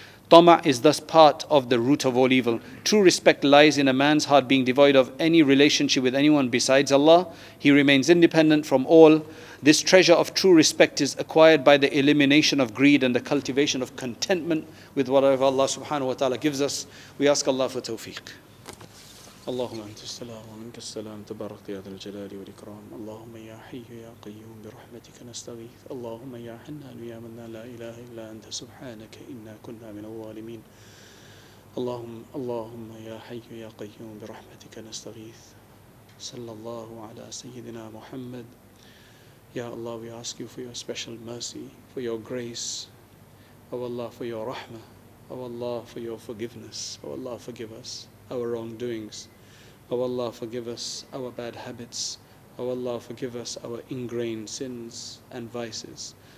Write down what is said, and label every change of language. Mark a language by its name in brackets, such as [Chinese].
[English] Tama is thus part of the root of all evil. True respect lies in a man's heart being devoid of any relationship with anyone besides Allah. He remains independent from all. This treasure of true respect is acquired by the elimination of greed and the cultivation of contentment with whatever Allah subhanahu wa ta'ala gives us. We ask Allah for tawfiq. [Arabic] اللهم أنت السلام ومنك السلام تبارك يا ذا الجلال والإكرام اللهم يا حي يا قيوم برحمتك نستغيث اللهم يا حنان يا منان لا إله إلا أنت سبحانك إنا كنا من الظالمين اللهم يا حي يا قيوم برحمتك نستغيث صلى الله على سيدنا محمد [English] Ya Allah, we ask you for your special mercy, for your grace. O Allah, for your rahmah. O Allah, for your forgiveness. O Allah, forgive us our wrongdoings. O Allah, forgive us our bad habits. O Allah, forgive us our ingrained sins and vices.